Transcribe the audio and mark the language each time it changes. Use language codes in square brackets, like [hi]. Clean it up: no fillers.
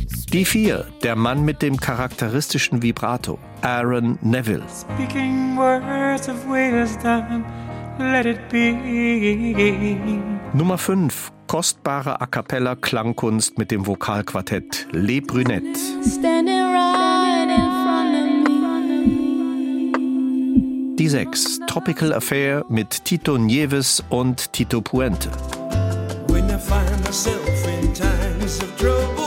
[de] Die 4, der Mann mit dem charakteristischen Vibrato, Aaron Neville. [en] Speaking words of wisdom, let it be. [de] Nummer 5, kostbare A cappella Klangkunst mit dem Vokalquartett Le Brunette. [en] Standing right in front of me. [de] Die 6, Tropical Affair mit Tito Nieves und Tito Puente. [en] When I find myself in times of trouble.